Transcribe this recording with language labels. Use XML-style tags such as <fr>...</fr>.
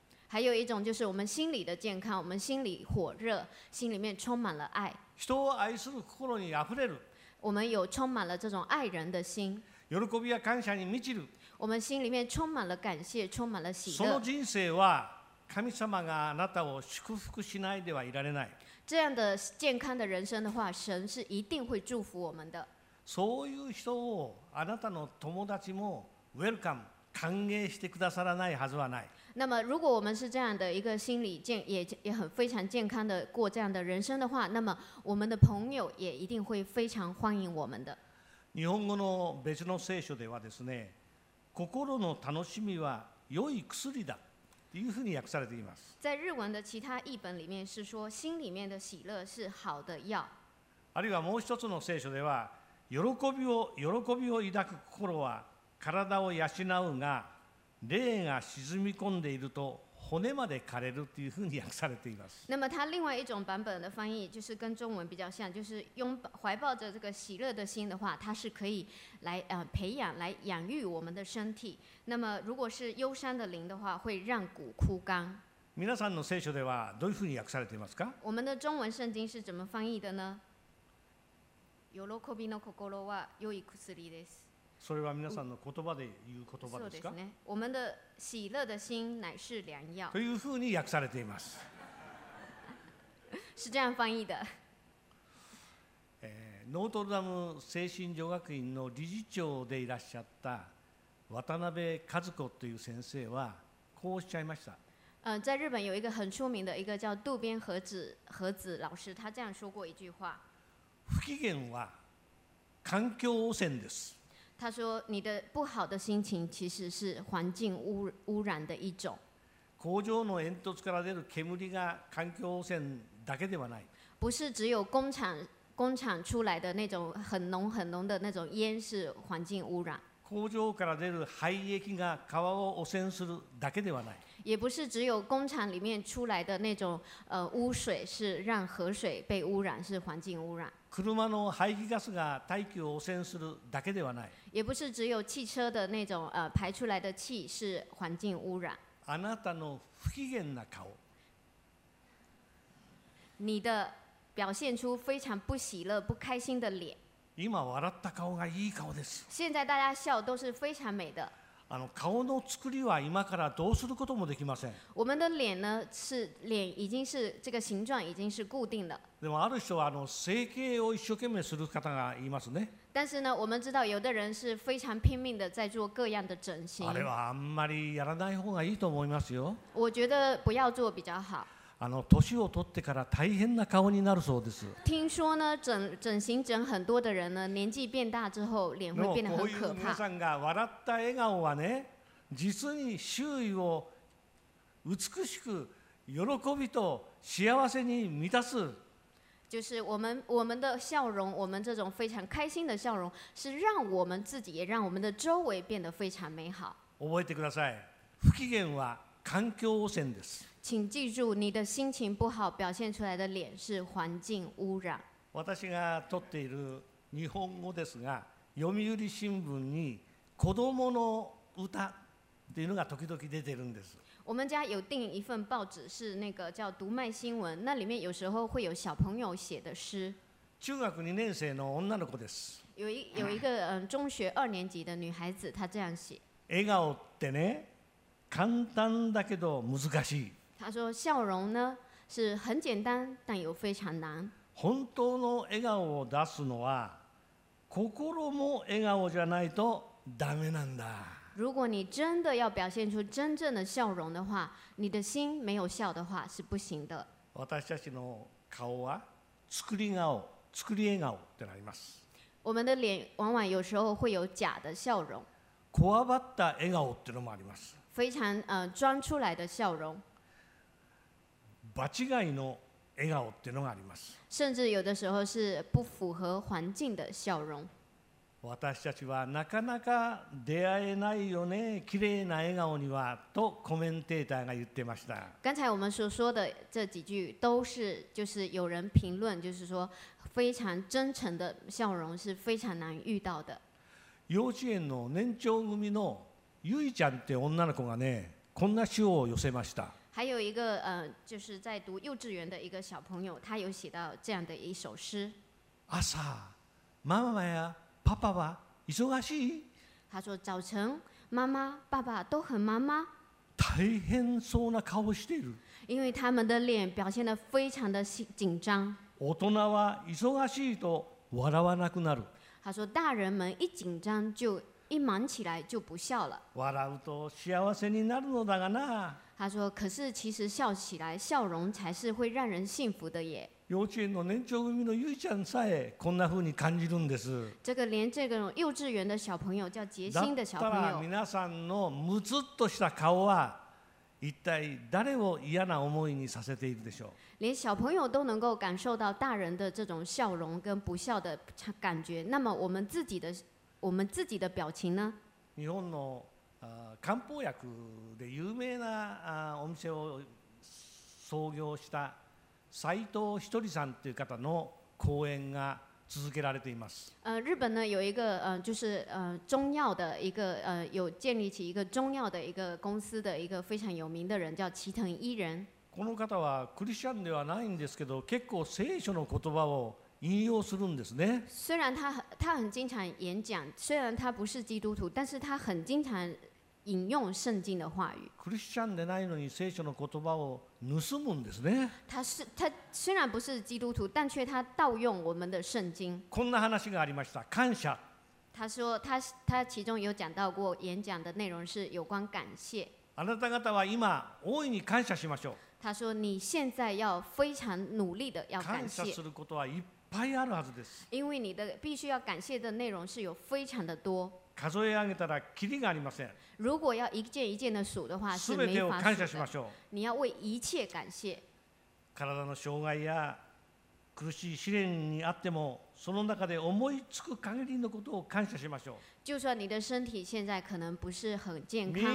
<zh>还有一种就是我们心理的健康，我们心里火热，心里面充满了爱。</zh> <ja>人を愛する心にあふれる。</ja> <zh>我们有充满了这种爱人的心。</zh> <ja>喜びや感謝に満ちる。</ja> <zh>我们心里面充满了感谢，充满了喜乐。</zh> <ja>その人生は神様があなたを祝福しないではいられない。</ja> <zh>这样的健康的人生的话，神是一定会祝福我们的。</zh> <ja>そういう人をあなたの友達もウェルカム、歓迎してくださらないはずはない。</ja> <zh>那么如果我们是这样的一个心理健也很非常健康的过这样的人生的话，那么我们的朋友也一定会非常欢迎我们的。</zh> <ja>日本語の別の聖書ではですね、心の楽しみは良い薬だというふうに訳されています。</ja> <zh>在日文的其他译本里面是说心里面的喜乐是好的药。</zh> <ja>あるいはもう一つの聖書では、喜びを抱く心は体を養うが、霊が沈み込んでいると骨まで枯れるというふうに訳されています。</ja> <zh>那么它另外一种版本的翻译就是跟中文比较像，就是怀抱着这个喜乐的心的话，它是可以来培养、来养育我们的身体。那么如果是忧伤的灵的话，会让骨枯干。</zh> <ja>皆さんの聖書ではどういうふうに訳されていますか？</ja> <zh>我们的中文圣经是怎么翻译的呢？</zh> <ja>喜びの心は良い薬です。それは皆さんの言葉で言う言葉ですか。そうですね。</ja> <zh>我们的喜乐的心乃是良药。</zh> <ja>というふうに訳されています。</ja> <zh>是这样翻译的。</zh> <ja>ノートルダム精神女学院の理事長でいらっしゃった渡辺和子という先生はこうおっしゃいました。</ja> <zh>在日本有一个很出名的一个叫渡边和子老师，他这样说过一句话。</zh> <ja>不機嫌は環境汚染です。</ja> <zh>他说你的不好的心情其实是环境污染的一种。</zh> <ja>工場の煙突から出る煙が環境汚染だけではない。</ja> <zh>不是只有工厂出来的那种很浓很浓的那种烟是环境污染。</zh> <ja>工場から出る廃液が川を汚染するだけではない。</ja> <zh>也不是只有工厂里面出来的那种污水是让河水被污染，是环境污染。</zh> <ja>車の排気ガスが大気を汚染するだけではない。</ja> <zh>也不是只有汽车的那种排出来的气是环境污染。</zh> <ja>あなたの不機嫌な顔。</ja> <zh>你的表现出非常不喜乐、不开心的脸。</zh> <ja>今笑った顔がいい顔です。</ja> <zh>现在大家笑都是非常美的。</zh> <ja>あの顔の作りは今からどうすることもできません。</ja> <zh>我们的脸呢是脸已经是这个形状已经是固定的。</zh> <ja>でもある人はあの整形を一生懸命する方がいますね。</ja> <zh>但是呢，我们知道有的人是非常拼命的在做各样的整形。</zh> <ja>あれはあんまりやらない方がいいと思いますよ。</ja> <zh>我觉得不要做比较好。</zh> <ja>あの年を取ってから大変な顔になるそうです。</ja> <zh>听说呢，整形整很多的人呢，年纪变大之后，脸会变得很可怕。</zh> <ja>皆さんが笑った笑顔はね、実に周囲を美しく喜びと幸せに満たす。</ja> <zh>就是我们的笑容，我们这种非常开心的笑容，是让我们自己也让我们的周围变得非常美好。</zh> <ja>覚えてください。不機嫌は環境汚染です。</ja> <zh>请记住，你的心情不好，表现出来的脸是环境污染。</zh> <ja>私が取っている日本語ですが、読売新聞に子どもの歌っていうのが時々出てるんです。</ja> <zh>我们家有订一份报纸，是那个叫《读卖新闻》，那里面有时候会有小朋友写的诗。</zh> <ja>中学2年生の女の子です。</ja> <zh>有一个中学二年级的女孩子，她这样写。</zh> <ja>笑顔ってね、簡単だけど難しい。</ja> <zh>他说笑容呢是很简单但又非常难。</zh> <ja>本当の笑顔を出すのは心も笑顔じゃないとダメなんだ。</ja> <zh>如果你真的要表现出真正的笑容的话，你的心没有笑的话是不行的。</zh> <ja>私たちの顔は作り顔、作り笑顔ってなります。</ja> <zh>我们的脸往往有时候会有假的笑容。</zh> <ja>こわばった笑顔ってのもあります。</ja> <zh>非常装出来的笑容。</zh> <ja>場違いの笑顔っていうのがあります。</ja> <zh>甚至有的时候是不符合环境的笑容。</zh> <ja>私たちはなかなか出会えないよね、綺麗な笑顔にはとコメンテーターが言ってました。</ja> <zh>刚才我们所说的这几句都是就是有人评论，就是说非常真诚的笑容是非常难遇到的。</zh> <ja>幼稚園の年長組のゆいちゃんって女の子がね、こんな詩を寄せました。</ja> <zh>还有一个就是在读幼稚园的一个小朋友，他有写到这样的一首诗。</zh> <ja>朝、ママやパパは忙しい。</ja> <zh>他说早晨，妈妈、爸爸都很忙吗？</zh> <ja>大変そうな顔している。</ja> <zh>因为他们的脸表现得非常的紧张。</zh> <ja>大人は忙しいと笑わなくなる。</ja> <zh>他说大人们一紧张就一忙起来就不笑了。</zh> <ja>笑うと幸せになるのだがな。</ja> <zh>他说：“可是，其实笑起来，笑容才是会让人幸福的耶。”</zh> <ja>幼稚園の年長組のゆいちゃんさえこんな風に感じるんです。</ja> <zh>这个连这个幼稚园的小朋友叫杰心的小朋友。</zh> <ja>だったら皆さんのむつっとした顔は一体誰を嫌な思いにさせているでしょう。</ja> <zh>连小朋友都能够感受到大人的这种笑容跟不笑的感觉，那么我们自己的表情呢？</zh> <ja>日本の漢方薬で有名なお店を創業した斉藤ひとりさんという方の講演が続けられています。</ja> <zh>日本呢有一个就是中药的一个有建立起一个中药的一个公司的一个非常有名的人叫齐藤一人。</zh> <ja>この方はクリスチャンではないんですけど、結構聖書の言葉を引用するんですね。</ja> <zh>虽然他很经常演讲，虽然他不是基督徒，但是他很经常引用圣经的话语。</zh> <ja>クリスチャンでないのに聖書の言葉を盗むんですね。</ja> <zh>他虽然不是基督徒，但却他盗用我们的圣经。</zh> <ja>こんな話がありました。感謝。</ja> <zh>他说 他其中有讲到过演讲的内容是有关感谢。</zh> <ja>あなた方は今大いに感謝しましょう。</ja> <zh>他说你现在要非常努力的要感谢。</zh> <ja>感謝することはいっぱいあるはずです。</ja> <zh>因为你的必须要感谢的内容是有非常的多。</zh> <ja>数え上げたらキリがありません。</ja> <zh>如果要一件一件的数的话是没法数的。</zh> <ja>全てを感謝しましょう。</ja> <zh>你要为一切感谢。</zh> <ja>体の障害や苦しい試練にあっても、その中で思いつく限りのことを感謝しましょう。</ja> <zh>就算你的身体现在可能不是很健康。</zh>